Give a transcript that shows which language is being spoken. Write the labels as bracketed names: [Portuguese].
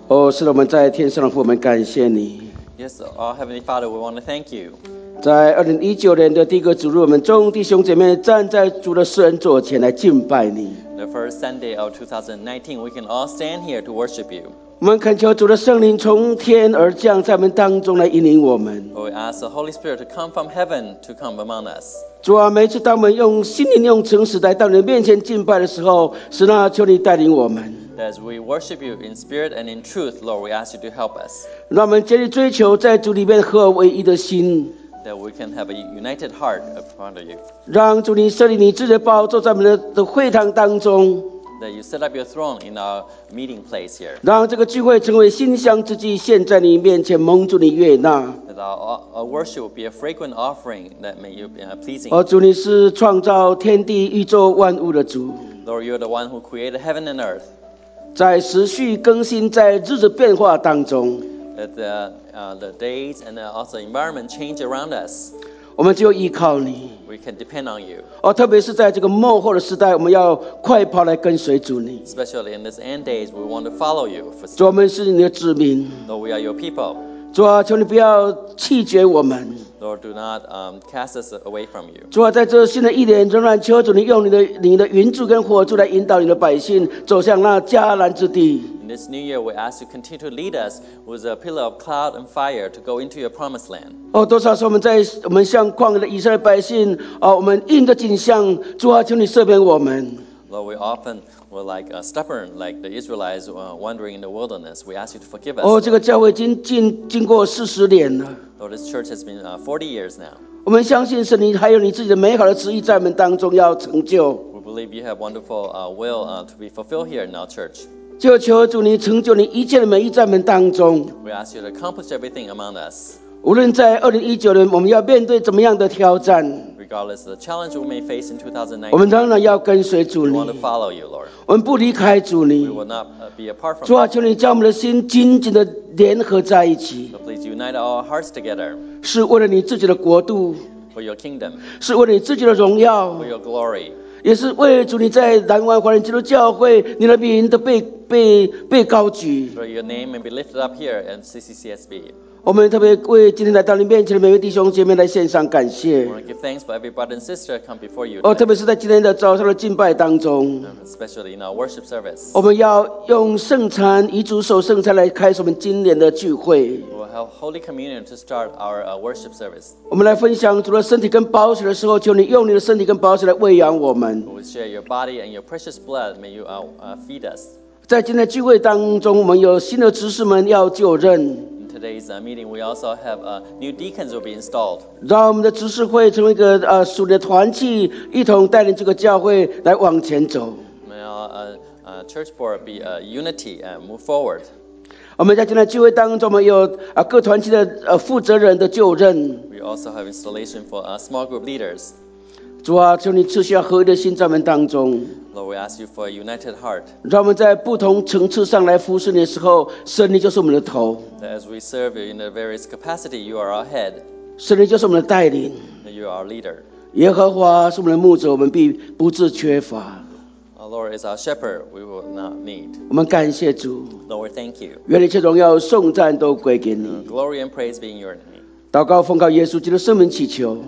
[Chinese] 是我们在天上的父，我们感谢你。 [English] Yes, our heavenly Father, we want to thank you. [Chinese] 在2019年的第一个主日，我们众弟兄姐妹站在主的施恩座前来敬拜你。 [English] The first Sunday of 2019, we can all stand here to worship you. [Chinese] 我们恳求主的圣灵从天而降，在我们当中来引领我们。 [English] We ask the Holy Spirit to come from heaven to come among us. [Chinese] 主啊，每次当我们用心灵、用诚实来到你面前敬拜的时候，神啊，求你带领我们。 [English] As we worship you in spirit and in truth, Lord, we ask you to help us. [Chinese] 让我们竭力追求在主里面合而为一的心。 [English] That we can have a united heart upon you. [Chinese] 让主你设立你自己的宝座在我们的会堂当中。 [English] That you set up your throne in our meeting place here. [Chinese] 让这个聚会成为馨香之祭，献在你面前，蒙主你悦纳。 [English] That our worship be a fragrant offering that may you be pleasing. [Chinese] 而主你是创造天地宇宙万物的主。 [English] Lord, you are the one who created heaven and earth. [Chinese] 在持续更新，在日子变化当中， [English] the days and also environment change around us. [Chinese] 我们就依靠你。 [English] We can depend on you. [Chinese] 特别是在这个末后的时代，我们要快跑来跟随主你。 [English] Especially in this end days, we want to follow you. [Chinese] 主，我们是你的子民。 [English] Lord, we are your people. [Chinese] 主啊，求你不要弃绝我们。 [English] Lord, do not cast us away from you. [Chinese] 主啊，在这新的一年，仍然求主你用你的云柱跟火柱来引导你的百姓走向那迦南之地。 [English] In this new year, we ask you continue to lead us with a pillar of cloud and fire to go into your promised land. [Chinese] 多少是我们向旷野的以色列百姓，我们硬着景象，主啊，求你赦免我们。 [English] Lord, we often were like stubborn, like the Israelites wandering in the wilderness. We ask you to forgive us. [Chinese] 这个教会经过40年了。 [English] Lord, this church has been 40 years now. [Chinese] 我们相信神，你还有你自己的美好的旨意在我们当中要成就。 [English] We believe you have wonderful will to be fulfilled here in our church. [Chinese] 就求主你成就你一切的美意在我们当中。 [English] We ask you to accomplish everything among us. [Chinese] 无论在2019年，我们要面对怎么样的挑战。 [English] Regardless of the challenge we may face in 2019, [Chinese] 我们当然要跟随主你。 [English] We want to follow you, Lord. [Chinese] 我们不离开主你。 [English] We will not be apart from. [Chinese] 主啊，求你将我们的心紧紧的联合在一起。 [English] So please unite our hearts together. [Chinese] 是为了你自己的国度。 [English] For your kingdom. [Chinese] 是为了你自己的荣耀。 [English] For your glory. [Chinese] 也是为主你在南湾华人基督教会你的名的被高举。 [English] For your name may be lifted up here in CCCSB. [Chinese] 我们特别为今天来到你面前的每位弟兄姐妹来献上感谢。 [English] We want to give thanks for every brother and sister come before you. [Chinese] 特别是在今天的早上的敬拜当中。 [English] Especially in our worship service. [Chinese] 我们要用圣餐以主守圣餐来开始我们今年的聚会。 [English] We'll have Holy Communion to start our worship service. [Chinese] 我们来分享主的身体跟宝血的时候，求你用你的身体跟宝血来喂养我们。 [English] We'll share your body and your precious blood. May you feed us. [Chinese] 在今天的聚会当中，我们有新的执事们要就任。 [English] today's meeting, we also have new deacons will be installed. [Chinese] 让我们的执事会成为一个属灵的团契，一同带领这个教会来往前走。 [English] May our church board be a unity and move forward. [Chinese] 我们在今天聚会当中，我们有各团契的负责人的就任。 [English] We also have installation for small group leaders. [Chinese] 主啊，求你赐下合一的心在我们当中。 [English] Lord, we ask you for a united heart. [Chinese] 让我们在不同层次上来服侍你的时候，圣灵就是我们的头。 [English] That as we serve you in the various capacity, you are our head. [Chinese] 圣灵就是我们的带领。 [English] You are our leader. [Chinese] 耶和华是我们的牧者，我们必不致缺乏。 [English] Our Lord is our shepherd, we will not need. [Chinese] 我们感谢主。 [English] Lord, thank you. [Chinese] 愿一切荣耀颂赞都归给你。 [English] Glory and praise be in your name. [Chinese] 祷告奉告耶稣基督的圣名祈求。